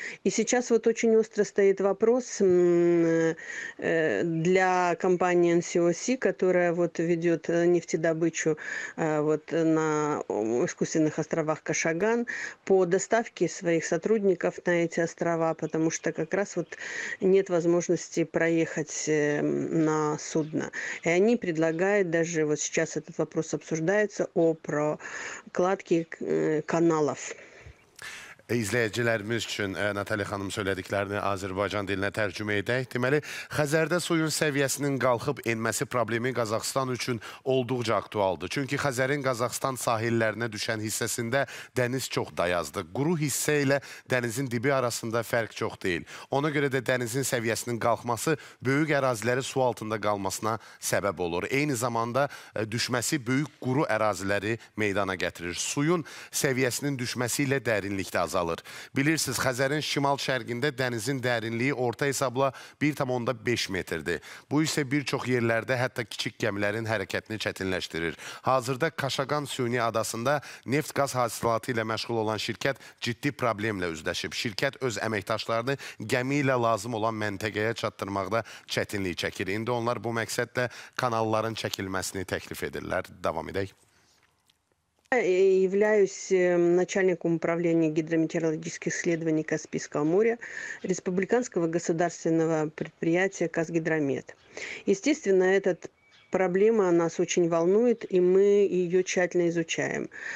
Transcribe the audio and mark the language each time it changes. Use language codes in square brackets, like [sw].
[ru] И сейчас вот очень остро стоит вопрос для компании NCOC, которая вот ведет нефтедобычу вот на искусственных островах Кашаган, по доставке своих сотрудников на эти острова, потому что как раз вот нет возможности проехать на судно. И они предлагают, даже вот сейчас этот вопрос обсуждается, о прокладке канала. [az] İzləyicilərimiz üçün Natali xanım söylədiklərini Azərbaycan dilinə tərcümə edək. Deməli, Xəzərdə suyun səviyyəsinin qalxıb enməsi problemi Qazaxıstan üçün olduqca aktualdır. Çünki Xəzərin Qazaxıstan sahillərinə düşən hissəsində dəniz çox dayazdır. Quru hissə ilə dənizin dibi arasında fərq çox deyil. Ona görə də dənizin səviyyəsinin qalxması böyük əraziləri su altında qalmasına səbəb olur. Eyni zamanda düşməsi böyük quru əraziləri meydana gətirir. Suyun səviyyəsinin düşməsi ilə dərinlikdə azalır. Bilirsiniz, Xəzərin şimal-şərqində dənizin dərinliyi orta hesabla 1,5 metrdir. Bu isə bir çox yerlərdə hətta kiçik gəmilərin hərəkətini çətinləşdirir. Hazırda Kaşaqan Süni adasında neft-qaz hasilatı ilə məşğul olan şirkət ciddi problemlə üzləşib. Şirkət öz əməkdaşlarını gəmi ilə lazım olan məntəqəyə çatdırmaqda çətinlik çəkir. İndi onlar bu məqsədlə kanalların çəkilməsini təklif edirlər. Davam edək. [ru] Я являюсь начальником управления гидрометеорологических исследований Каспийского моря Республиканского государственного предприятия «Казгидромет». Естественно, эта проблема нас очень волнует, и мы ее тщательно изучаем.